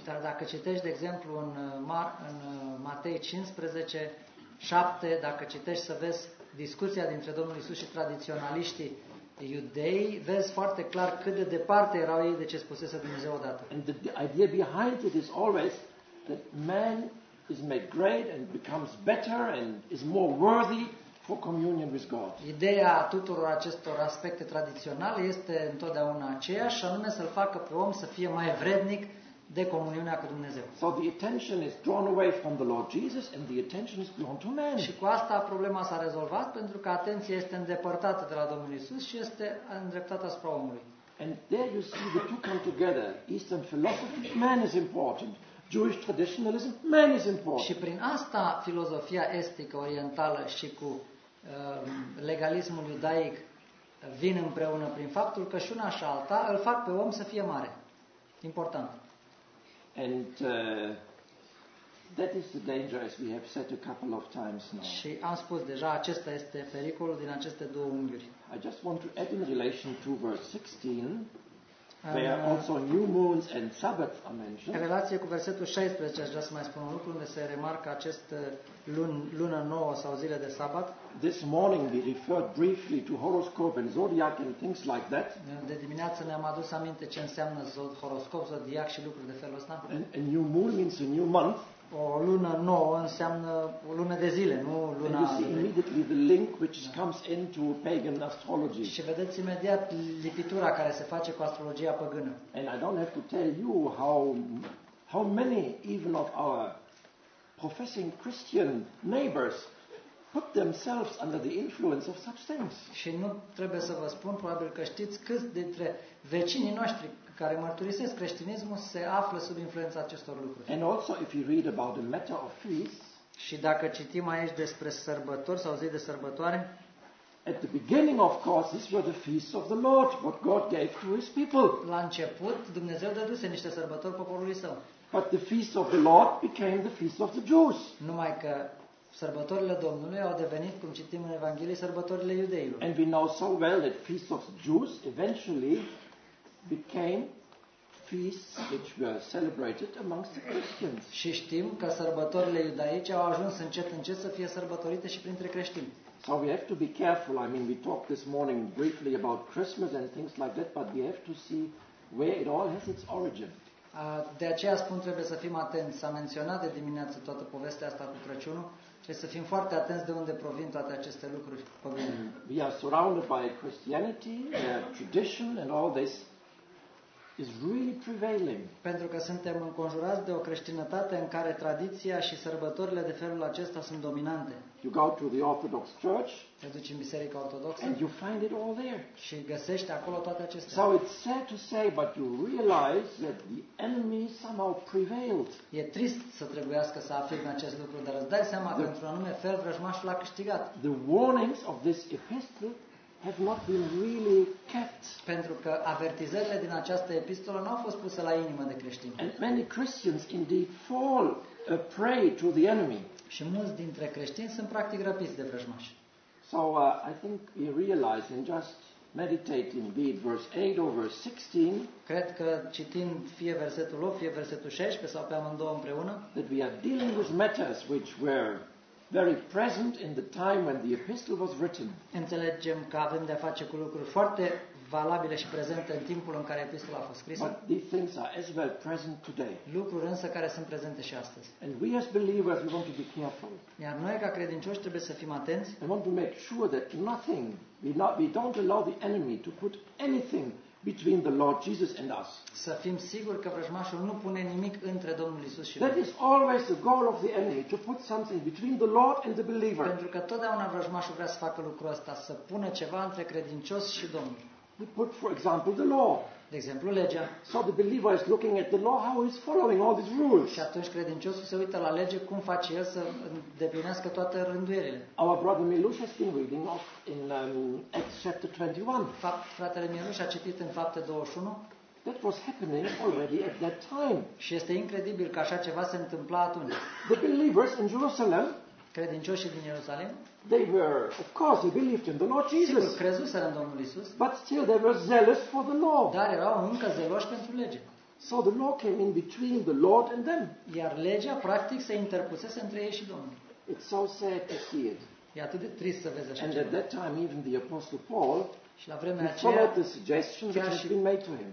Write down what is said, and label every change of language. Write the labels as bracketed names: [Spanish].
[Romanian] Dar dacă citești, de exemplu, în Matei 15, 7, dacă citești să vezi discuția dintre Domnul Iisus și tradiționaliștii iudei, vezi foarte clar cât de departe erau ei de ce spusese Dumnezeu odată. [English] And the idea behind it is always that man is made great and becomes better and is more worthy for communion with God. [Romanian] Ideea tuturor acestor aspecte tradiționale este întotdeauna aceeași, și anume să-l facă pe om să fie mai vrednic de comuniunea cu Dumnezeu. [English] So the attention is drawn away from the Lord Jesus and the attention is drawn to man. [Romanian] Și cu asta problema s-a rezolvat, pentru că atenția este îndepărtată de la Domnul Iisus și este îndreptată spre omului. [English] And there you see the two come together. Eastern philosophy, man is important. Jewish traditionalism, man is important. [Romanian] Și prin asta filozofia estică orientală și cu legalismul iudaic vin împreună, prin faptul că și una și alta îl fac pe om să fie mare. Important. [English] And that is the danger, as we have said a couple of times now. [Romanian] Și am spus deja, acesta este pericolul din aceste două unghiuri. [English] I just want to add in relation to verse 16, where also new moons and sabbaths are mentioned. [Romanian] În relație cu versetul 16, aș vrea să mai spun un lucru, unde se remarcă acest lună nouă sau zile de sabat. [English] This morning we referred briefly to horoscope and zodiac and things like that. [Romanian] De dimineață ne-am adus aminte ce înseamnă horoscop, zodiac și lucruri de felul ăsta. [English] A new moon means a new month. [Romanian] O lună nouă înseamnă o lună de zile, nu luna. [English] And you see immediately the link which comes into pagan astrology. [Romanian] Și vedeți imediat lipitura care se face cu astrologia păgână. [English] And I don't have to tell you how many even of our professing Christian neighbors put themselves under the influence of such things. [Romanian] Și nu trebuie să vă spun, probabil că știți câți dintre vecinii noștri care mărturisesc creștinismul se află sub influența acestor lucruri. [English] And also if you read about the matter of feasts, [Romanian] și dacă citim aici despre sărbători sau zi de sărbătoare, [English] at the beginning of course these were the feasts of the Lord, what God gave to his people. [Romanian] La început Dumnezeu dăduse niște sărbători poporului său. [English] But the feast of the Lord became the feast of the Jews. [Romanian] Numai că sărbătorile Domnului au devenit, cum citim în Evanghelie, sărbătorile iudeilor. [English] And we know so well that feast of the Jews eventually became feasts which were celebrated amongst the Christians. [Romanian] Și știm că sărbătorile iudaice au ajuns încet încet să fie sărbătorite și printre creștini. [English] So we have to be careful. I mean, we talked this morning briefly about Christmas and things like that, but we have to see where it all has its origin. [Romanian] De aceea spun, trebuie să fim atenți. S-a menționat de dimineață toată povestea asta cu Crăciunul. Trebuie să fim foarte atenți de unde provin toate aceste lucruri. [English] We are surrounded by Christianity, tradition and all this. is really prevailing. [Romanian] Pentru că suntem înconjurați de o creștinătate în care tradiția și sărbătorile de felul acesta sunt dominante. [English] You go to the Orthodox Church. [Romanian] Te duci în biserica ortodoxă. [English] And you find it all there. [Romanian] Și găsești acolo toate acestea. [English] So it's sad to say, but you realize that the enemy somehow prevailed. [Romanian] E trist să trebuiască să afirm acest lucru, dar îți dai seama că într-un anume fel vrăjmașul a câștigat. [English] The warnings of this epistle have not been really kept. [Romanian] Pentru că avertizările din această epistolă nu au fost puse la inimă de creștini. [English] And many Christians indeed fall a prey to the enemy. [Romanian] Și mulți dintre creștini sunt practic răpiți de vrăjmași. [English] So I think we realize in just meditating be it verse 8 or verse 16, [Romanian] cred că citind fie versetul 8, fie versetul 16 sau pe amândouă împreună, [English] that we are dealing with matters which were very present in the time when the epistle was written. [Romanian] Înțelegem că avem de a face cu lucruri foarte valabile și prezente în timpul în care epistola a fost scrisă. [English] But these things are as well present today. [Romanian] Lucruri însă care sunt prezente și astăzi. [English] And we as believers, we want to be careful. [Romanian] Iar noi ca credincioși trebuie să fim atenți. [English] We want to make sure that nothing, we don't allow the enemy to put anything between the Lord Jesus and us. [Romanian] Să fim siguri că vrăjmașul nu pune nimic între Domnul Isus și noi. [English] That is always the goal of the enemy, to put something between the Lord and the believer. [Romanian] Pentru că totdeauna vrăjmașul vrea să facă lucrul ăsta, să pună ceva între credincios și Domnul. [English] We put, for example, the law. [Romanian] De exemplu, legea. [English] So the believer is looking at the law, how he's following all these rules. [Romanian] Și atunci credinciosul se uită la lege, cum face el să îndeplinească toate rânduierile. [English] Our brother Miluș has been reading off in Acts chapter 21. [Romanian] Fratele Miluș a citit în Fapte 21. [English] That was happening already at that time. [Romanian] Și este incredibil că așa ceva se întâmpla atunci. [English] The believers in Jerusalem. [Romanian] Credincioșii din Ierusalim. [English] They were, of course, they believed in the Lord Jesus. [Romanian] Sigur, crezuseră în Domnul Isus. [English] But still, they were zealous for the law. [Romanian] Dar erau încă zeloși pentru lege. [English] So the law came in between the Lord and them. [Romanian] Iar legea practic se interpusese între ei și Domnul. [English] It's so sad to see it. [Romanian] E atât de trist să vezi așa [English] and [Romanian] ceva. [English] And at that time, even the Apostle Paul. [Romanian] Și la vremea aceea, [English] followed the suggestion that had been made to him.